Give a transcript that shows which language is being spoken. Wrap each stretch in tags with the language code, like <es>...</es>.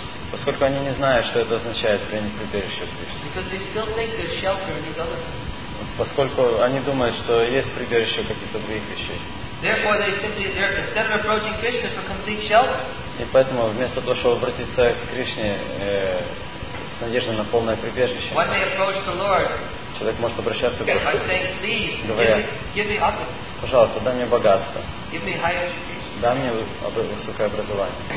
<ru>Поскольку они не знают, что это означает принять прибежище в Кришне. Поскольку они думают, что есть прибежище каких-то других вещей.</ru> <en>Therefore, they simply, instead of approaching Krishna for complete shelter.</en> <ru>И поэтому вместо того, чтобы обратиться к Кришне с надеждой на полное прибежище.</ru> <en>When they approach the Lord.</en> <ru>Человек может обращаться к Господу.</ru> <en>By saying, please, give me opulence.</en> <ru>Пожалуйста, дай мне богатство.</ru> <en>Give me high education.</en> <ru>Дай мне высокое образование.</ru>